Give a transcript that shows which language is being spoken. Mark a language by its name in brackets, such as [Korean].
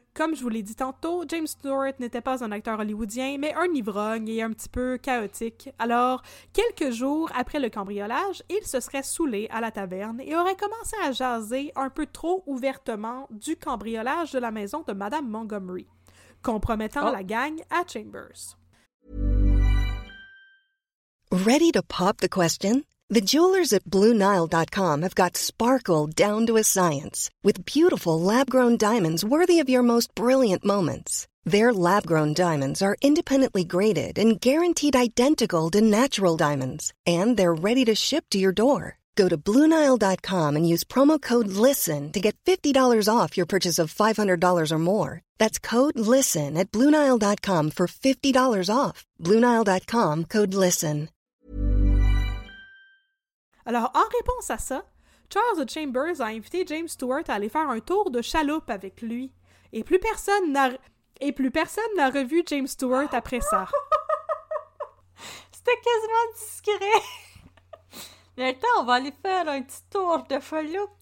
[French] Comme je vous l'ai dit tantôt, James Stewart n'était pas un acteur hollywoodien, mais un ivrogne et un petit peu chaotique. Alors, quelques jours après le cambriolage, il se serait saoulé à la taverne et aurait commencé à jaser un peu trop ouvertement du cambriolage de la maison de Madame Montgomery, compromettant la gang à Chambers. [English] Ready to pop the question? The jewelers at BlueNile.com have got sparkle down to a science with beautiful lab-grown diamonds worthy of your most brilliant moments. Their lab-grown diamonds are independently graded and guaranteed identical to natural diamonds, and they're ready to ship to your door. Go to BlueNile.com and use promo code LISTEN to get $50 off your purchase of $500 or more. That's code LISTEN at BlueNile.com for $50 off. BlueNile.com, code LISTEN. [French] Alors, en réponse à ça, Charles Chambers a invité James Stewart à aller faire un tour de chaloupe avec lui. Et plus personne n'a revu James Stewart après ça. C'était quasiment discret. Mais attends, on va aller faire un petit tour de chaloupe.